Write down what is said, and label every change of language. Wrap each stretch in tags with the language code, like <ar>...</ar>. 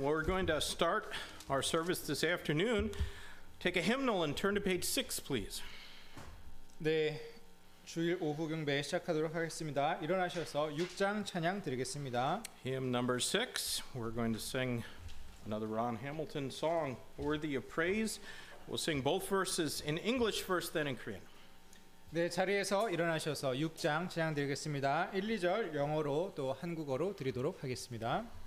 <en>Well, we're going to start our service this afternoon. Take a hymnal and turn to page 6, please.</en> <ko>네, 주일 오후 경배 시작하도록 하겠습니다. 일어나셔서 6장 찬양 드리겠습니다.</ko> <en>Hymn number 6. We're going to sing another Ron Hamilton song, Worthy of Praise. We'll sing both verses in English first, then in Korean.</en> <ko>네, 자리에서 일어나셔서 6장 찬양 드리겠습니다. 1, 2절 영어로 또 한국어로 드리도록 하겠습니다.</ko>